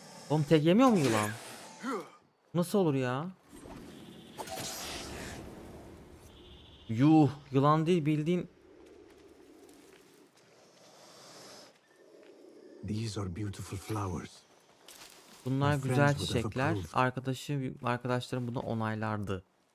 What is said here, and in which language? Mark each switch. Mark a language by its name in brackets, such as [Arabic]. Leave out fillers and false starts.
[Turkish] Oğlum tek yemiyor mu yılan? Nasıl olur ya? Yuh, yılan değil bildiğin. [English] These are beautiful flowers. [Turkish] Bunlar güzel çiçekler. Arkadaşlarım bunu onaylardı.